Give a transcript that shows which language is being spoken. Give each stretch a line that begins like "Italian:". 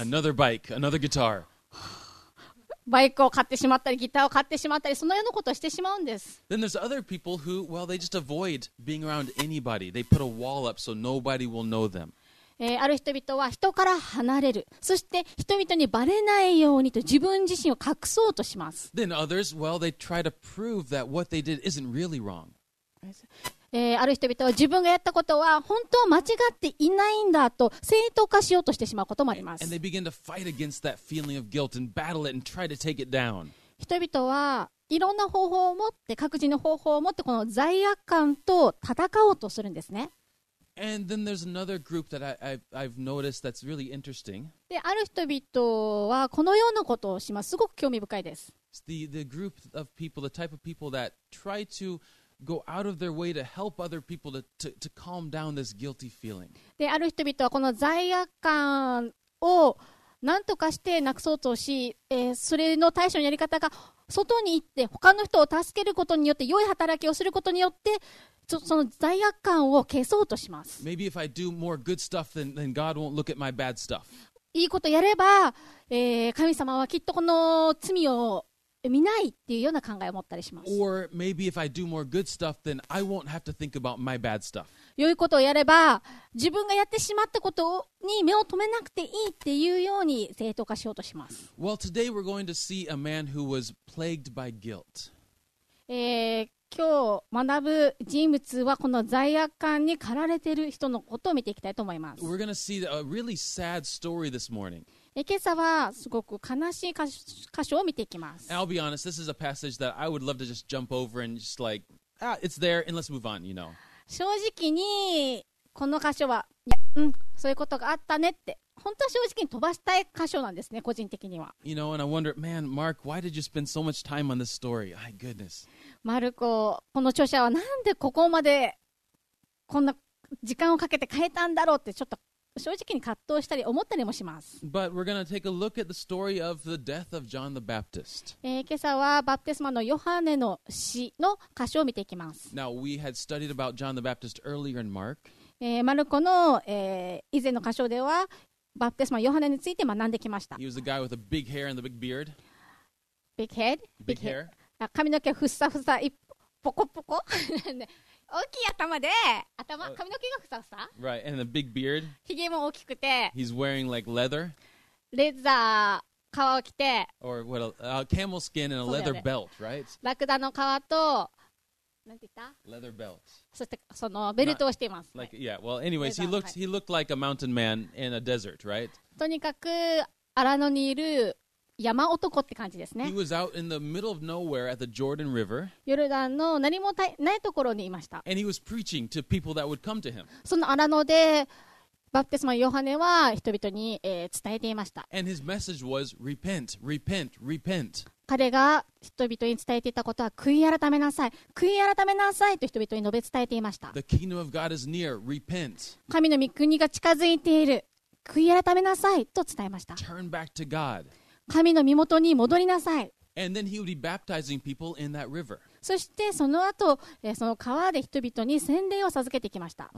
English: Another bike, another guitar.
Japanese: バイクを買ってしまったり、ギターを買ってしまったり、そのようなことをしてしまうんです。
English: Then there's other people who, well, they just avoid being around anybody. They put a wall up so nobody will know them.
Japanese: ある人々は人から離れる。そして人々にバレないようにと自分自身を隠そうとします。
English: Then others, well, they try to prove that what they did isn't really wrong.
Japanese: ある人々は自分がやったことは本当は間違っていないんだと正当化しようとしてしまうこともあります。人々はいろんな方法を持って各自の方法を持ってこの罪悪感と戦おうとするんですね。
English: And then there's another group that I've noticed that's really interesting.
Japanese: で、ある人々はこのようなことをします。すごく興味深いです。
English: The group of people, the type of people that try toGo out of their way to help other people to calm down this guilty feeling.
Japanese: で、ある人々はこの罪悪感を何とかしてなくそうとし、それの対処のやり方が外に行って他の人を助けることによって良い働きをすることによってその罪悪感を消そうとします。
English: Maybe if I do more good stuff, then God won't look at my bad stuff.
Japanese: いいことやれば、神様はきっとこの罪を見ないっていうような考えを持ったりします。
English: Or maybe if I do more good stuff, then I won't have to think about my bad stuff.
Japanese: 良いことをやれば、自分がやってしまったことに目を留めなくていいっていうように正当化しようとします。
English: Well, today we're going to see a man who was plagued by guilt.
Japanese: 今日学ぶ人物はこの罪悪感に駆られている人のことを見ていきたいと思います。
English: We're going to see a really sad story this morning.
Japanese: 今朝はすごく悲しい箇所を見ていきます。
English: I'll be honest, this is a passage that I would love to just jump over and just like, ah, it's there and let's move on, you know.
Japanese: 正直に、この箇所は、ん、そういうことがあったねって本当は正直に飛ばしたい箇所なんですね、個人的には。
English: You know, and I wonder, man, Mark, why did you spend so much time on this story? My goodness.
Japanese: マルコ、この著者はなんでここまでこんな時間をかけて書いたんだろうってちょっと正直に葛藤したり思ったりもします。
English: But we're going to take a look at the story of the death of John the Baptist.
Japanese: 今朝はバプテスマのヨハネの死の箇所を見ていきます。
English: Now, we had studied about John the Baptist earlier in Mark.
Japanese: マルコの、以前の箇所ではバプテスマ、ヨハネについて学んできました。
English: He was a guy with a big hair and a big beard. Big head? Big hair.
Japanese: 髪の毛ふさふさ、ポコポコ。大きい頭で、頭、髪の毛がふさふさ。
English: Right, and a big beard.
Japanese: ひげも大きくて。
English: He's wearing like leather.
Japanese: レザー、革を着て。
English: Or what a camel skin and a leather belt, right?
Japanese: ラクダの革と、なんて言った
English: Leather belt.
Japanese: そしてそのベルトをしています。
English: Like, yeah, well, anyways, he looked like a mountain man in a desert, right?
Japanese: とにかく、アラノにいる山男って感じですね。
English: He was out in the middle of nowhere at the Jordan River.
Japanese: ヨルダンの何もないところにいました。
English: And he was preaching to people that would come to him.
Japanese: そのアラノで、バプテスマ・ヨハネは人々に、伝えていました。
English: And his message was, repent, repent, repent.
Japanese: 彼が人々に伝えていたことは、悔い改めなさい、悔い改めなさいと人々に述べ伝えていました。
English: The kingdom of God is near, repent.
Japanese: 神の御国が近づいている、悔い改めなさいと伝えました。
English: Turn back to God.
Japanese: 神の御元に戻りなさい。
English: And then he would be baptizing people in that river.
Japanese: そしてその後、その川で人々に洗礼を授けてきました。